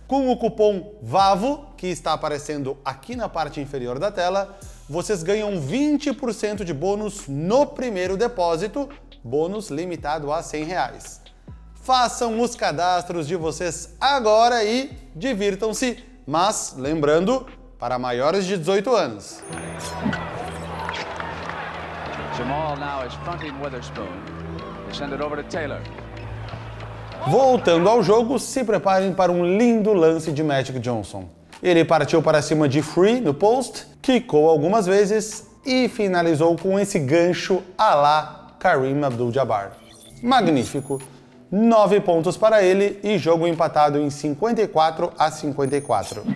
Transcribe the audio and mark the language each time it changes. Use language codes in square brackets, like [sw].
[pt] Com o cupom VAVO, que está aparecendo aqui na parte inferior da tela, vocês ganham 20% de bônus no primeiro depósito, bônus limitado a R$100. façam os cadastros de vocês agora e divirtam-se, mas lembrando, para maiores de 18 anos. [en] Jamal now is fronting Witherspoon. They send it over to Taylor. [pt] Voltando ao jogo, se preparem para um lindo lance de Magic Johnson. Ele partiu para cima de Free no post, quicou algumas vezes e finalizou com esse gancho à la Kareem Abdul-Jabbar. Magnífico! 9 pontos para ele e jogo empatado em 54 a 54.